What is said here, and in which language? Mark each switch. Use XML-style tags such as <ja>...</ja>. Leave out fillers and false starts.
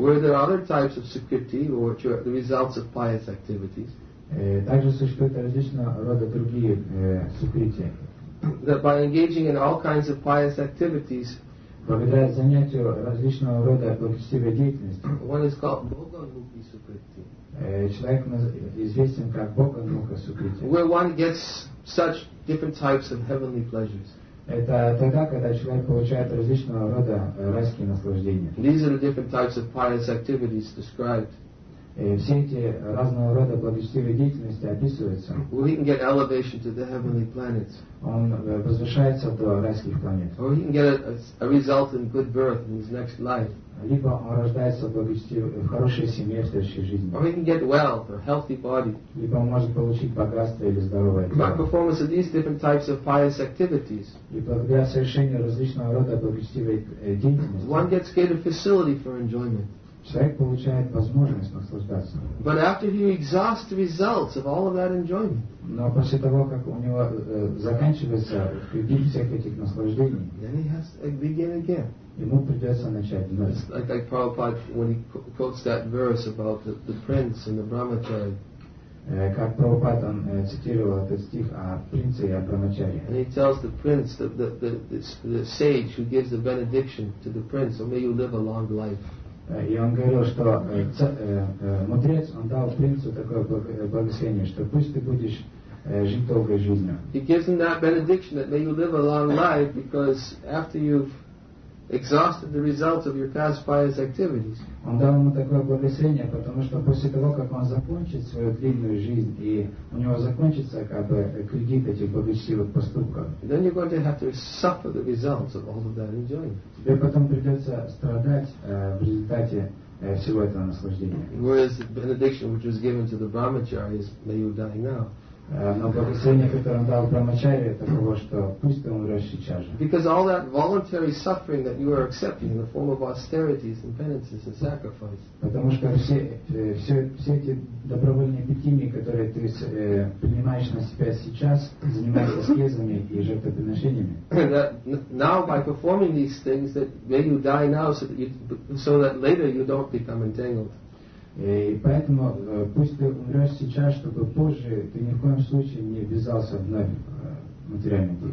<en>Where there are other types of Sukriti, which are the results of pious activities.</en> <ru>Также существуют различного рода другие Sukriti.</ru> <en>That by engaging in all kinds of pious activities,</en> <ru>благодаря занятию различного рода благочестивой деятельности,</ru> <en>one is called Bhoganmukhi Sukriti.</en> <ru>Человек известен как Bhoganmukha Sukriti.</ru> <en>Where one gets such different types of heavenly pleasures.</en> <ru>Это тогда, когда человек получает различного рода райские наслаждения.</ru> <en>These are the different types of pious activities described.</en> <ru>Все эти разного рода благочестивые деятельности описываются.</ru> <en>Well, he can get elevation to the heavenly planets.</en> <ru>Он возвышается до райских планет.</ru> <en>Or he can get a result in good birth in his next life.</en> <ru>Либо он рождается в хорошей семье в следующей жизни.</ru> <en>Or he can get wealth or healthy body.</en> <ru>Либо он может получить богатство или здоровое тело.</ru> <en>By performance of these different types of pious activities,</en> <ru>и благодаря совершению различного рода благочестивой деятельности,</ru> <en>one gets greater facility for enjoyment.</en> <ru>Человек получает возможность наслаждаться.</ru> <en>But after he exhausts the results of all of that enjoyment.</en> <ru>Но после того, как у него заканчивается впереди всех этих наслаждений,</ru> <en>then he has to begin again.</en> <ru>Ему придется начать вновь.</ru> <en>It's like Prabhupada, when he quotes that verse about the prince and the brahmachari.</en> <ru>Как Прабхупад там цитировал этот стих о принце и о брамачаре.</ru> <en>And he tells the prince, the sage who gives the benediction to the prince, oh, may you live a long life.</en> <ru>И он говорил, что мудрец, он дал принцу такое благословение, что пусть ты будешь жить долгой жизнью.</ru> <en>He gives him that benediction that may you live a long life because after you've exhausted the results of your past pious activities.</en> <ru>Он дал ему такое благословение, потому что после того, как он закончит свою длинную жизнь, и у него закончится как бы кредит этих благочестивых поступков,</ru> <en>then you're going to have to suffer the results of all of that enjoyment.</en> <ru>Тебе потом придется страдать в результате всего этого наслаждения.</ru> <en>Whereas the benediction which was given to the brahmachari is may you die now.</en> <ru>Но благословение, которое он дал брамачарье, таково, что пусть ты умрешь сейчас же.</ru> <en>Because all that voluntary suffering that you are accepting in the form of austerities and penances and sacrifice.</en> <ru>Потому что все эти добровольные питимии, которые ты принимаешь на себя сейчас, занимаясь аскезами и жертвоприношениями.</ru> <en>That now by performing these things that may you die now so that later you don't become entangled.</en> <ru>И поэтому пусть ты умрешь сейчас, чтобы позже ты ни в коем случае не ввязался вновь в материальный день.</ru>